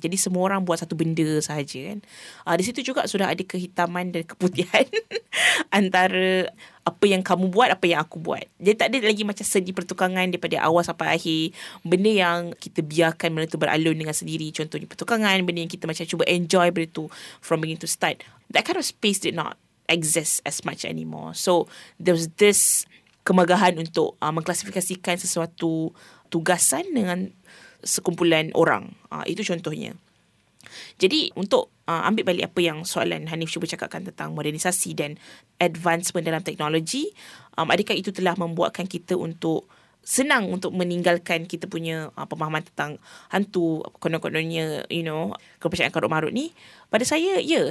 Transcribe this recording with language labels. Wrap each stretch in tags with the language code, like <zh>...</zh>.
<ms>Jadi semua orang buat satu benda sahaja kan. Di situ juga sudah ada kehitaman dan keputihan antara apa yang kamu buat, apa yang aku buat. Jadi tak ada lagi macam seni pertukangan daripada awal sampai akhir. Benda yang kita biarkan benda tu beralun dengan sendiri. Contohnya pertukangan, benda yang kita macam cuba enjoy benda tu</ms> <en>from beginning to start. That kind of space did not exist as much anymore. So there was this</en> <ms>kemegahan untuk mengklasifikasikan sesuatu tugasan dengan sekumpulan orang. Itu contohnya. Jadi untuk ambil balik apa yang soalan Hanif cuba cakapkan tentang modernisasi dan advancement dalam teknologi, adakah itu telah membuatkan kita untuk senang untuk meninggalkan kita punya pemahaman tentang hantu, konon-kononnya,</ms> <en>you know,</en> <ms>kepercayaan karut-marut ni? Pada saya, ya.</ms>